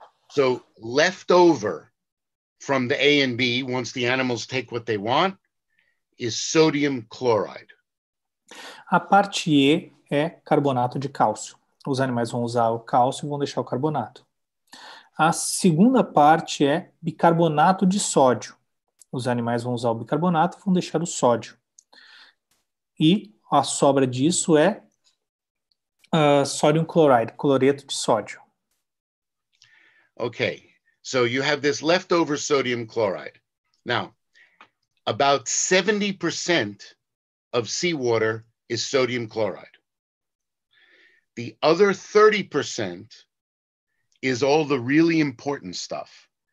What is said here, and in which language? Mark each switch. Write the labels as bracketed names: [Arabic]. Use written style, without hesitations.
[English] So left over from the A and B, once the animals take what they want, is sodium chloride. [Portuguese] A parte E é carbonato de cálcio. Os animais vão usar o cálcio e vão deixar o carbonato. A segunda parte é bicarbonato de sódio. Os animais vão usar o bicarbonato e vão deixar o sódio. E a sobra disso é sodium chloride, cloreto de sódio. [English] Okay, so you have this leftover sodium chloride. Now, about 70% of seawater is sodium chloride. The other 30% is all the really important stuff.